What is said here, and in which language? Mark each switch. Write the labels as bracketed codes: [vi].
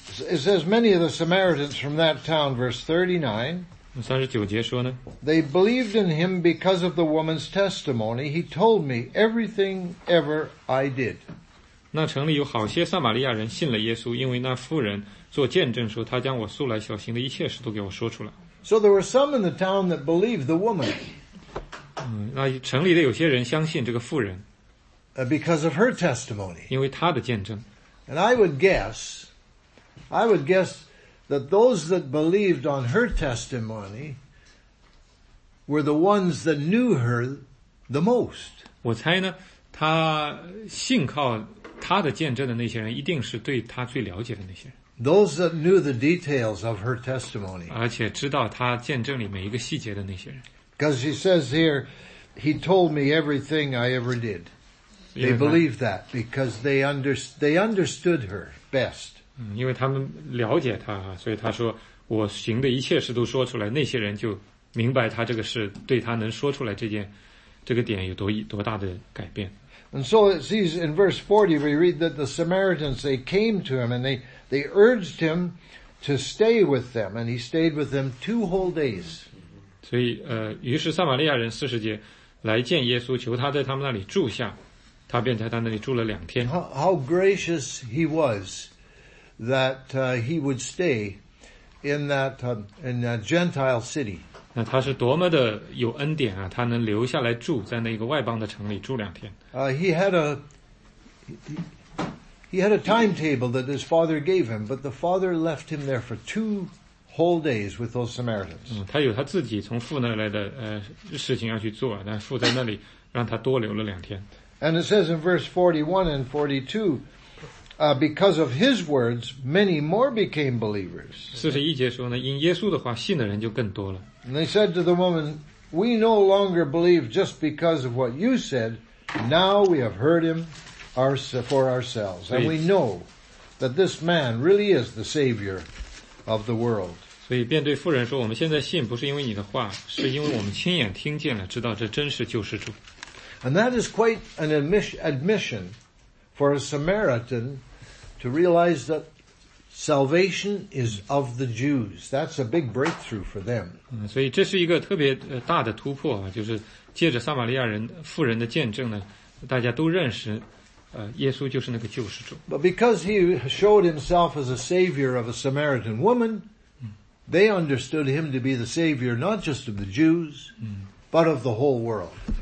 [en] It says many of the Samaritans from that town, verse 39, [zh] 39节说呢, [en] they believed in him because of the woman's testimony. He told me everything ever I did. [zh] 那城里有好些撒玛利亚人信了耶稣，因为那妇人做见证说，他将我素来所行的一切事都给我说出来。 [en] So there were some in the town that believed the woman. [zh] 那城里的有些人相信这个妇人, [en] because of her testimony. [zh] 因为她的见证。 [en] And I would guess that those that believed on her testimony were the ones that knew her the most. [zh] 我猜呢，他信靠他的见证的那些人，一定是对他最了解的那些人。 [en] Those that knew the details of her testimony. [zh] 而且知道他见证里每一个细节的那些人。 [en] Because she says here, he told me everything I ever did. They believed that because they understood her best. [zh] 因为他们了解他，所以他说我行的一切事都说出来，那些人就明白他这个事对他能说出来这件这个点有 多大的改变。 [en] And so it says in verse 40 we read that the Samaritans, they came to him and they urged him to stay with them, and he stayed with them two whole days. [zh] 所以于是撒玛利亚人40节来见耶稣，求他在他们那里住下，他便在他那里住了两天。 [en] How gracious he wasThat he would stay in that Gentile city. [zh] 那他是多么的有恩典啊！他能留下来住在那个外邦的城里住两天。 [en] He had a timetable that his father gave him, but the father left him there for two whole days with those Samaritans. [zh] 他有他自己从父那来的事情要去做，但父在那里让他多留了两天。 [en] And it says in verse 41 and 42. Because of his words, many more became believers. [zh] 41节说呢，因耶稣的话，信的人就更多了。 [en] And they said to the woman, we no longer believe just because of what you said. Now we have heard him for ourselves. And we know that this man really is the Savior of the world. [zh] 所以便对妇人说，我们现在信不是因为你的话，是因为我们亲眼听见了，知道这真是救世主。 [en] And that is quite an admission for a Samaritan to realize that salvation is of the Jews. That's a big breakthrough for them. [zh] 所以这是一个特别大的突破，就是借着撒玛利亚人妇人的见证呢，大家都认识，耶稣就是那个救世主。 [en] But because he showed himself as a savior of a Samaritan woman, they understood him to be the savior not just of the Jews, but of the whole world.